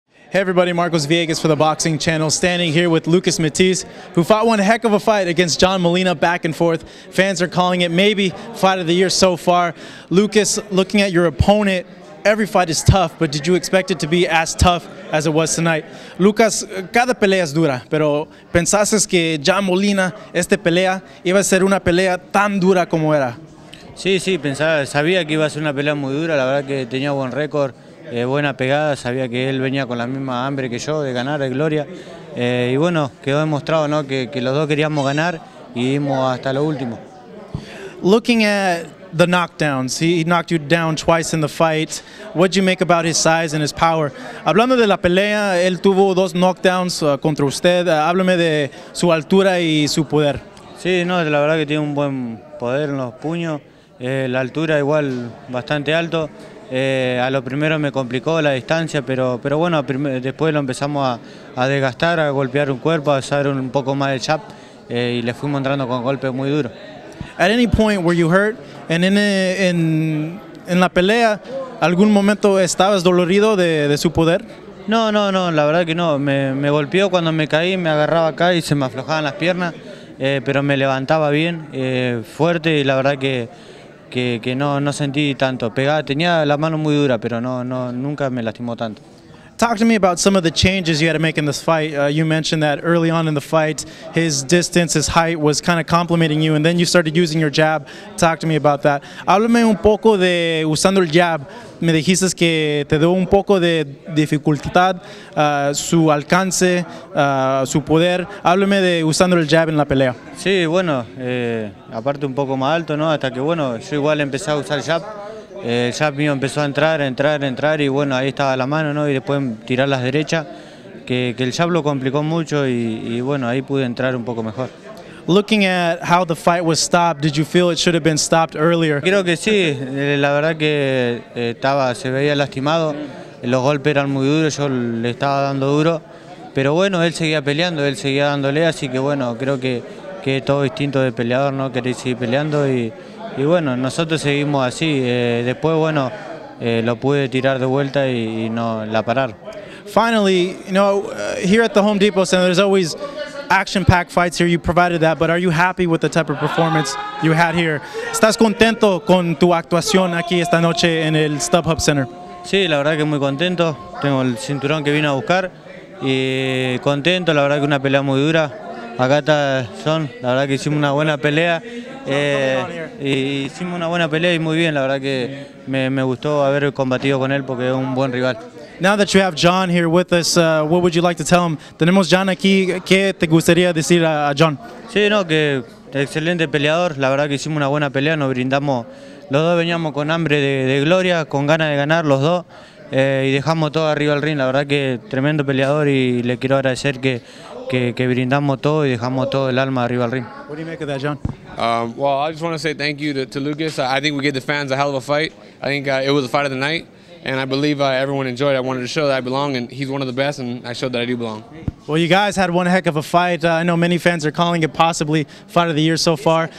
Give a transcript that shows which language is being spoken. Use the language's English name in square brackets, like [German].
[English] Hey everybody, Marcos Villegas for the Boxing Channel, standing here with Lucas Matisse, who fought one heck of a fight against John Molina back and forth. Fans are calling it maybe fight of the year so far. Lucas, looking at your opponent, every fight is tough, but did you expect it to be as tough as it was tonight? [Spanish] Lucas, cada pelea es dura, pero ¿pensaste que John Molina, esta pelea, iba a ser una pelea tan dura como era? Sí, sí, pensaba, sabía que iba a ser una pelea muy dura, la verdad que tenía buen récord. Buena pegada, sabía que él venía con la misma hambre que yo de ganar, de gloria. Y bueno, quedó demostrado, ¿no? que los dos queríamos ganar y dimos hasta lo último. [English] Looking at the knockdowns, he knocked you down twice in the fight. What did you make about his size and his power? [Spanish] Hablando de la pelea, él tuvo dos knockdowns contra usted. Háblame de su altura y su poder. Sí, no, la verdad que tiene un buen poder en los puños. La altura igual bastante alto. A lo primero me complicó la distancia, pero bueno, después lo empezamos a desgastar, a golpear un cuerpo, a usar un poco más de chap, y le fui mostrando con golpes muy duros. [English] At any point were you hurt? And in [Spanish] la pelea, ¿algún momento estabas dolorido de su poder? No, la verdad que no. Me golpeó cuando me caí, me agarraba acá y se me aflojaban las piernas, pero me levantaba bien, fuerte, y la verdad que no sentí tanto. Pegaba, tenía la mano muy dura, pero no nunca me lastimó tanto. [English] Talk to me about some of the changes you had to make in this fight. You mentioned that early on in the fight, his distance, his height was kind of complimenting you, and then you started using your jab. Talk to me about that. [Spanish] Háblame un poco de usando el jab. Me dijiste que te dio un poco de dificultad, su alcance, su poder. Háblame de usando el jab en la pelea. Sí, bueno, aparte un poco más alto, ¿no? Hasta que, bueno, yo igual empecé a usar jab. El jab mío empezó a entrar, y bueno, ahí estaba la mano, ¿no? Y después tirar las derechas, que el jab lo complicó mucho, y bueno, ahí pude entrar un poco mejor. [English] Looking at how the fight was stopped, did you feel it should have been stopped earlier? [Spanish] Creo que sí, la verdad que se veía lastimado, los golpes eran muy duros, yo le estaba dando duro, pero bueno, él seguía peleando, él seguía dándole, así que bueno, creo que todo instinto de peleador, ¿no? Querer seguir peleando, y bueno, nosotros seguimos así. Después, bueno, lo pude tirar de vuelta y no la parar. [English] Finally, you know, here at the Home Depot Center, there's always action-packed fights here. You provided that, but are you happy with the type of performance you had here? [Spanish] ¿Estás contento con tu actuación aquí esta noche en el StubHub Center? Sí, la verdad que muy contento. Tengo el cinturón que vine a buscar y contento. La verdad que una pelea muy dura. Acá está John, la verdad que hicimos una buena pelea. Hicimos una buena pelea y muy bien, la verdad que me gustó haber combatido con él porque es un buen rival. [English] Now that you have John here with us, what would you like to tell him? [Spanish] Tenemos John aquí, ¿qué te gustaría decir a John? Sí, no, que excelente peleador, la verdad que hicimos una buena pelea, nos brindamos, los dos veníamos con hambre de gloria, con ganas de ganar los dos, y dejamos todo arriba al ring, la verdad que tremendo peleador, y le quiero agradecer que brindamos todo y dejamos todo el alma arriba al ring. [English] What do you make of that, John? Well, I just want to say thank you to Lucas. I think we gave the fans a hell of a fight. I think it was a fight of the night, and I believe everyone enjoyed it. I wanted to show that I belong, and he's one of the best, and I showed that I do belong. Well, you guys had one heck of a fight. I know many fans are calling it possibly fight of the year so far.